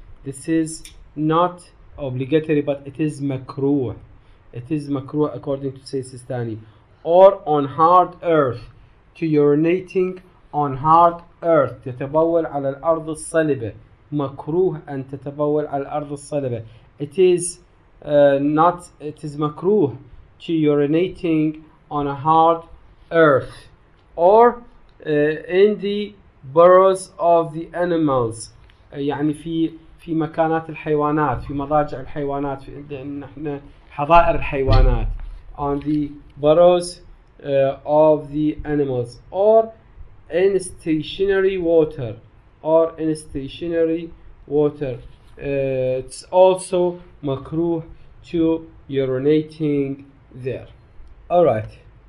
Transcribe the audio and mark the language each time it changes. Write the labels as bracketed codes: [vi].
[en] This is not obligatory, but it is makruh. It is makruh according to Sayyid Sistani. Or on hard earth, to urinating on hard earth. [ar] تتبول على الأرض الصلبة. مكروه أن تتبول على الأرض الصلبة. [en] It is not. It is makruh to urinating on a hard earth. Or in the burrows of the animals. [ar] يعني في مكانات الحيوانات, في مضاجع الحيوانات, في نحن حظائر الحيوانات. [en] On the burrows of the animals, or in stationary water, or in stationary water, it's also makruh to urinating there. All right.